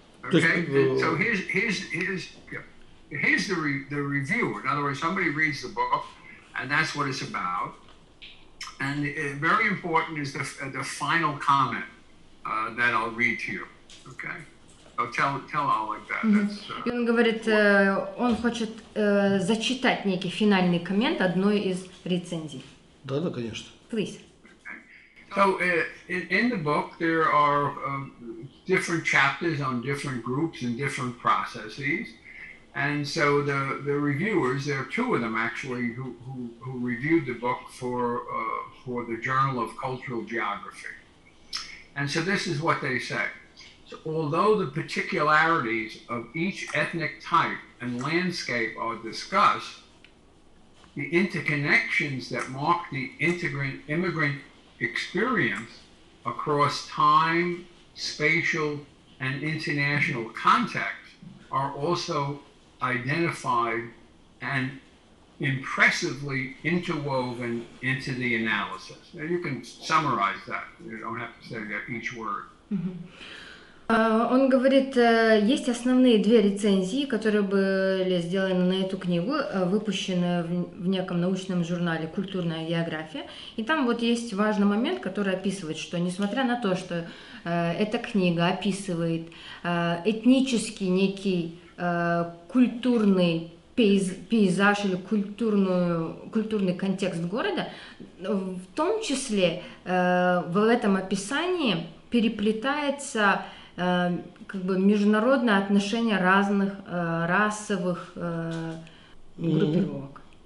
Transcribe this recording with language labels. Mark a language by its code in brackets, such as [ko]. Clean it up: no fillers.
[en] Okay. So here's Here's the reviewer. In other words, somebody reads the book, and that's what it's about. And very important is the final comment that I'll read to you. Okay? So tell Oleg that. Mm-hmm. [ru] That's, он говорит, он хочет зачитать некий финальный коммент одной из рецензий. Да, да, конечно. [en] Please. Okay. So in the book there are different chapters on different groups and different processes. And so the reviewers, there are two of them actually who reviewed the book for the Journal of Cultural Geography. And so this is what they say. So although the particularities of each ethnic type and landscape are discussed, the interconnections that mark the immigrant experience across time, spatial, and international context are also identified and impressively interwoven into the analysis. Now you can summarize that. You don't have to say that each word. [ru] Он говорит, есть основные две рецензии, которые были сделаны на эту книгу, выпущены в неком научном журнале «Культурная география». И там вот есть важный момент, который описывает, что несмотря на то, что эта книга описывает этнический некий культурный пейзаж или культурный контекст города, в том числе в этом описании переплетается как бы международное отношение разных расовых группировок.